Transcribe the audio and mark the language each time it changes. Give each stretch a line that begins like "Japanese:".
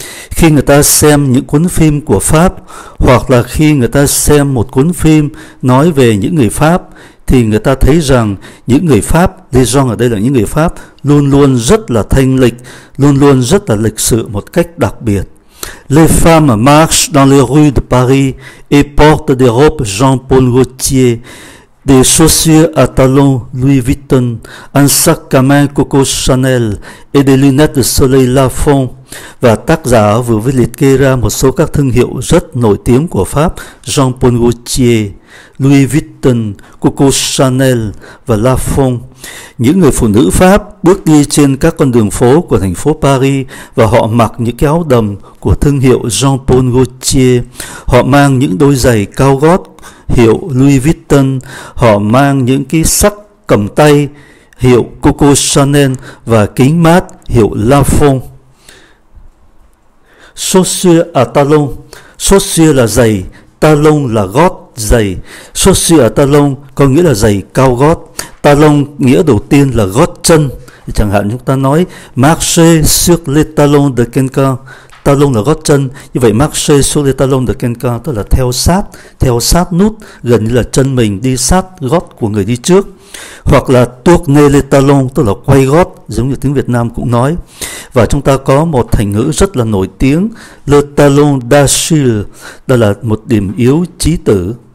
Vietnamese: Khi người ta xem những cuốn phim của Pháp, hoặc là khi người ta xem một cuốn phim nói về những người Pháp, thì người ta thấy rằng những người Pháp,
French: les gens
Vietnamese: ở đây là những người Pháp, luôn luôn rất là thanh lịch, luôn luôn rất là lịch sự một cách đặc biệt.
French: Les femmes marchent dans les rues de Paris et portent des robes Jean-Paul Gaultier. Des chaussures à talons Louis Vuitton, un sac à main Coco Chanel et des lunettes de soleil Lafond.
Vietnamese: Và tác giả vừa mới liệt kê ra một số các thương hiệu rất nổi tiếng của Pháp, Jean-Paul Gaultier, Louis Vuitton, Coco Chanel và Lafond. Những người phụ nữ Pháp bước đi trên các con đường phố của thành phố Paris và họ mặc những cái áo đầm của thương hiệu Jean-Paul Gaultier. Họ mang những đôi giày cao gót hiệu Louis Vuitton, họ mang những cái sắc cầm tay hiệu Coco Chanel và kính mát hiệu Lafond.
French: Chaussures à talons,
Vietnamese: chaussures là giày, Talon là gót, giày. Socia talon có nghĩa là giày cao gót. Talon nghĩa đầu tiên là gót chân. Chẳng hạn chúng ta nói
French: marche sur les talons de quelqu'un.
Vietnamese: Talon là gót chân, như vậy
French: marche sur les talons de quelqu'un
Vietnamese: tức là theo sát nút, gần như là chân mình đi sát gót của người đi trước. Hoặc là
French: tourner les talons
Vietnamese: tức là quay gót, giống như tiếng Việt Nam cũng nói. Và chúng ta có một thành ngữ rất là nổi tiếng,
French: le talon d'Achille,
Vietnamese: đó là một điểm yếu chí tử.